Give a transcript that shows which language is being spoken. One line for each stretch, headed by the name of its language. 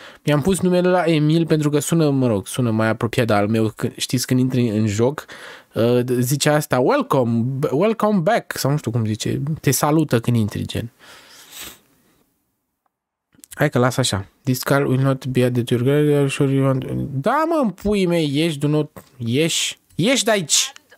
Romanian: Mi-am pus numele la Emil pentru că sună, mă rog, sună mai apropiat de al meu. Știți, când intri în joc, zice asta,
English: welcome back,
Romanian: sau nu știu cum zice, te salută când intri, gen. Hai că las așa.
English: This car will not be added to your garage, are sure you want...
Romanian: Da, mă, în pui mei, ieși,
English: do not...
Romanian: ieși de aici!